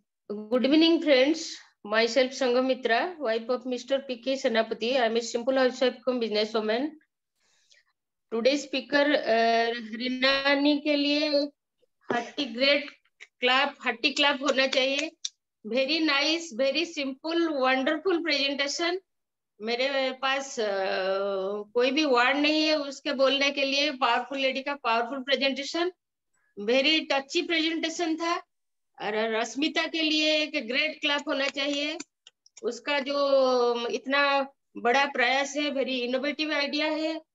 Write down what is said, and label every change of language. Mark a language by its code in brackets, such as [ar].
[en] good evening friends myself Sanghamitra wife of Mr P K Senapati I am simple housewife cum business woman today speaker रीनानी [hi] के लिए [en] hearty great clap hearty clap [hi] होना चाहिए [en] very nice, very simple, wonderful presentation. [hi] मेरे पास कोई भी word नहीं है उसके बोलने के लिए. [en] Powerful lady का powerful presentation, very touchy presentation था. [hi] और रश्मिता के लिए एक ग्रेट क्लैप होना चाहिए, उसका जो इतना बड़ा प्रयास है, [en] very innovative idea [hi] है.